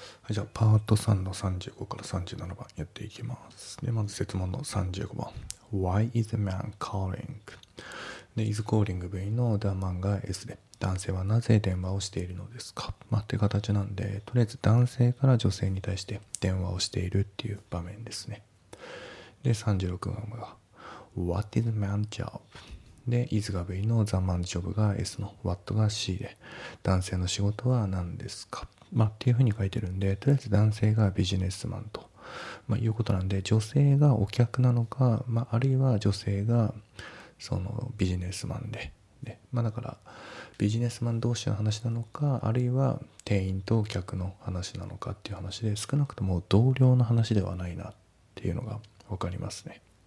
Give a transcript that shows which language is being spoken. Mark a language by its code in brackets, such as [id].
[ja] じゃあパート3の35から37番やっていきます。でまず設問の35番、 [en] Why is a man calling? [ja] で [en] is calling [ja] V の the man が S で、男性はなぜ電話をしているのですか、まあ、って形なんで、とりあえず男性から女性に対して電話をしているっていう場面ですね。で36番が [en] What is a man job? [ja] で is が V の [en] the man job [ja] が S の What が C で、男性の仕事は何ですか、まあ、っていうふうに書いてるんで、とりあえず男性がビジネスマンと、まあ、いうことなんで、女性がお客なのか、まあ、あるいは女性がそのビジネスマンで、ね、まあ、だからビジネスマン同士の話なのか、あるいは店員と客の話なのかっていう話で、少なくとも同僚の話ではないなっていうのが分かりますね。